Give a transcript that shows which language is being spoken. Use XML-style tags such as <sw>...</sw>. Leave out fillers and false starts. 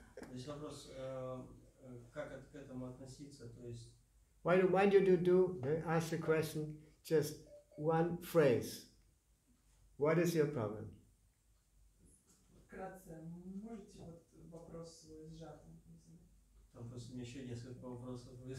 <ru>Здесь вопрос, как к этому относиться, то есть...</ru> <en>Why do you do, ask the question, just one phrase. What is your problem?</en> <ru>Вкратце, можете вот вопрос сжать? Там просто мне еще несколько вопросов.</ru>